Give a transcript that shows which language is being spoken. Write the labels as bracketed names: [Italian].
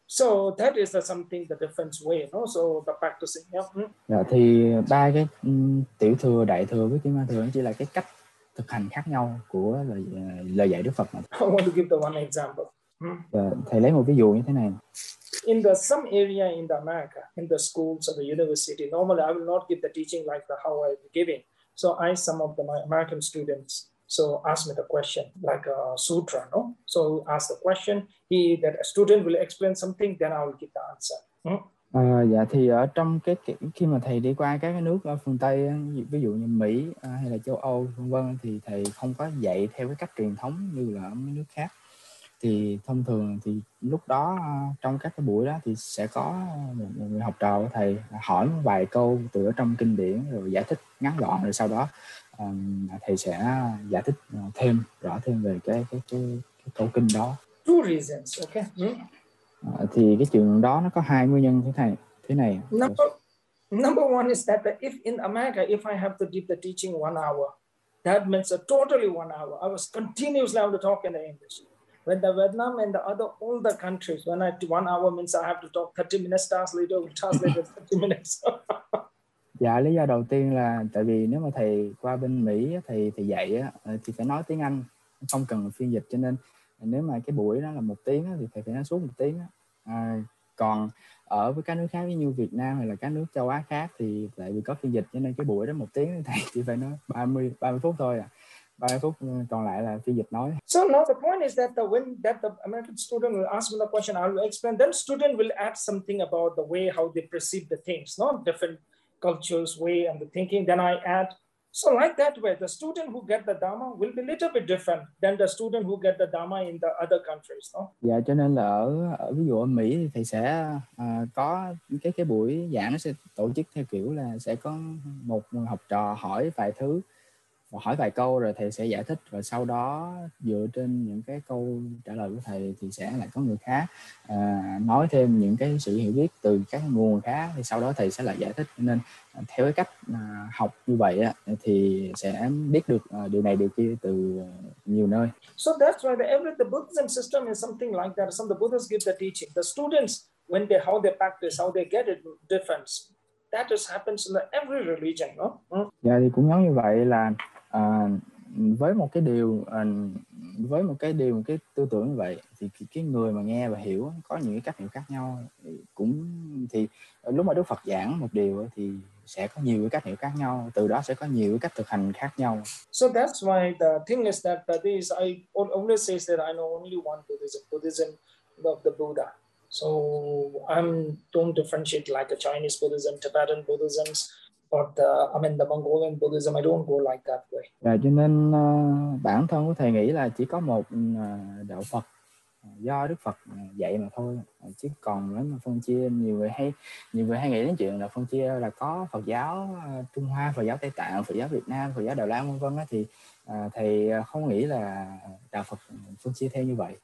[English] So that is something the different way, no? So the practicing. Yeah. [Vietnamese] Dạ, thì ba cái tiểu thừa, đại thừa với kim cang thừa chỉ là cái cách thực hành khác nhau của lời dạy Đức Phật mà. [English] I want to give the one example. [Vietnamese] Thầy lấy một ví dụ như thế này. [English] In the some area in the America, in the schools or the university, normally I will not give the teaching like the how I give it. So I, some of the my American students, so ask me the question like a sutra, no? So ask the question, he that a student will explain something, then I will give the answer. [Vietnamese] Dạ thì ở trong cái khi mà thầy đi qua các cái nước ở phương Tây, ví dụ như Mỹ hay là châu Âu vân vân, thì thầy không có dạy theo cái cách truyền thống như là ở mấy nước khác. Thì thông thường thì lúc đó trong các cái buổi đó thì sẽ có một người học trò của thầy hỏi một vài câu từ ở trong kinh điển rồi giải thích ngắn gọn, rồi sau đó thầy sẽ giải thích thêm rõ thêm về cái câu kinh đó. [English] Two reasons, okay. [Vietnamese] Thì cái chuyện đó nó có hai nguyên nhân thế này. [English] Number one is that if in America, if I have to give the teaching 1 hour, that means a totally 1 hour. I was continuously able to talk in the English. When the Vietnam and the other older countries, when I 1 hour means I have to talk 30 minutes, translate 30 minutes. [Vietnamese] Dạ, lý do đầu tiên là tại vì nếu mà thầy qua bên Mỹ, thầy dạy thì phải nói tiếng Anh, không cần phiên dịch, cho nên nếu mà cái buổi đó là một tiếng thì thầy phải nói suốt một tiếng. Còn ở với các nước khác như Việt Nam hay là các nước châu Á khác thì tại vì có phiên dịch cho nên cái buổi đó một tiếng thì thầy chỉ phải nói 30 phút thôi. 30 phút còn lại là phiên dịch nói. [English] So now the point is that when the American student will ask me the question, I will explain. Then student will add something about the way how they perceive the things, not different cultures way and the thinking. Then I add. So like that way, the student who get the Dharma will be a little bit different than the student who get the Dharma in the other countries, no? [Vietnamese] Yeah, cho nên là ở ví dụ ở Mỹ thì thầy sẽ có cái buổi giảng nó sẽ tổ chức theo kiểu là sẽ có một học trò hỏi vài thứ, hỏi vài câu rồi thầy sẽ giải thích, và sau đó dựa trên những cái câu trả lời của thầy thì sẽ lại có người khác nói thêm những cái sự hiểu biết từ các nguồn khác, thì sau đó thầy sẽ lại giải thích. Nên theo cái cách học như vậy thì sẽ biết được điều này điều kia từ nhiều nơi. [English] So that's why the Buddhism system is something like that. Some of the Buddhists give the teaching, the students when they how they practice, how they get it different. That just happens in every religion, no? Dạ, thì cũng giống như vậy là với một cái điều cái tư tưởng như vậy thì cái người mà nghe và hiểu có những cái cách hiểu khác nhau, thì lúc mà Đức Phật giảng một điều thì sẽ có nhiều cái cách hiểu khác nhau, từ đó sẽ có nhiều cái cách thực hành khác nhau. So that's why the thing is that this I only say that I know only one Buddhism of the Buddha. So I'm don't differentiate like a Chinese Buddhism, Tibetan Buddhism. The Mongolian Buddhism, I don't go like that way. [Vietnamese] Yeah, cho nên bản thân của thầy nghĩ là chỉ có một đạo Phật do Đức Phật dạy mà thôi. Chứ còn nếu mà phân chia, nhiều người hay nghĩ đến chuyện là phân chia là có Phật giáo Trung Hoa, Phật giáo Tây Tạng, Phật giáo Việt Nam, Phật giáo Đài Loan vân vân, thì thầy không nghĩ là đạo Phật phân chia theo như vậy.